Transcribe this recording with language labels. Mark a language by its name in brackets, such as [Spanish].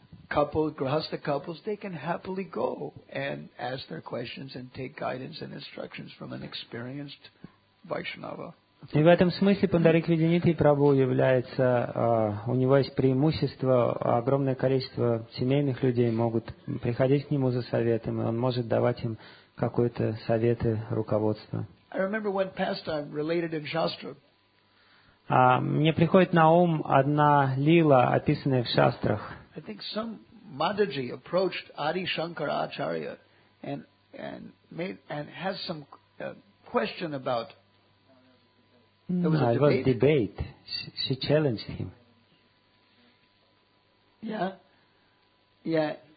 [English] Couples, grihastha couples, they can happily go and ask their questions and take guidance and instructions from an experienced Vaishnava. [Russian] И в этом смысле Пандарик Виденитхи Прабху является, у него есть преимущество, огромное количество семейных людей могут приходить к нему за советом, и он может давать им какой-то советы, руководство. [English] I remember one pastime related in Shastra. [Russian] Мне приходит на ум одна лила, описанная в Шастрах. [English] I think some Madhaji approached Adi Shankara Acharya and has some question about. It was a debate. She challenged him. Yeah. Yeah.